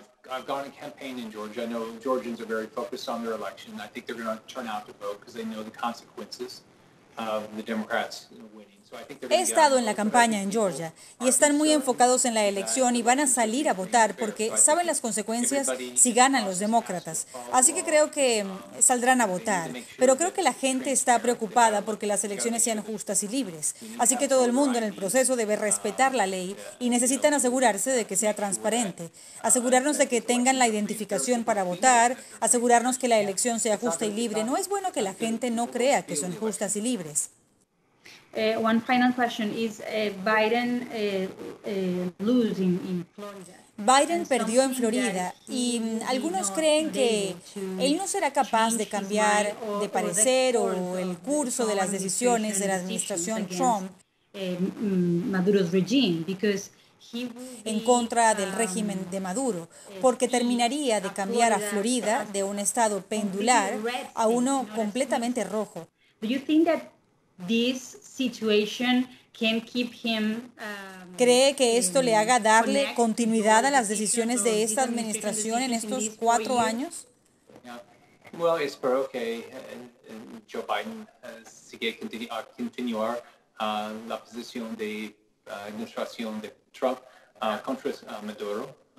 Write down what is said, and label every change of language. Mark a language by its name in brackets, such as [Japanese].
[English] I've gone and campaigned in Georgia. I know Georgians are very focused on their election. I think they're going to turn out to vote because they know the consequences of the Democrats winning. [Spanish] He estado en la campaña en Georgia y están muy enfocados en la elección y van a salir a votar porque saben las consecuencias si ganan los demócratas. Así que creo que saldrán a votar, pero creo que la gente está preocupada porque las elecciones sean justas y libres. Así que todo el mundo en el proceso debe respetar la ley y necesitan asegurarse de que sea transparente, asegurarnos de que tengan la identificación para votar, asegurarnos que la elección sea justa y libre. No es bueno que la gente no crea que son justas y libres. [English] One final question is Biden losing in Florida. [Spanish] Biden perdió en Florida y algunos creen que él no será capaz de cambiar de parecer o el curso de las decisiones de la administración Trump. [English] Maduro's regime because [Spanish] en contra del régimen de Maduro, porque terminaría de cambiar a Florida de un estado pendular a uno completamente rojo. [English] Do you think that this situation can keep him, [Spanish] ¿cree que esto le haga darle continuidad a las decisiones de esta administración en estos cuatro años? Well, espero que Joe Biden siga a continuar la posición de administración de Trump contra Maduro.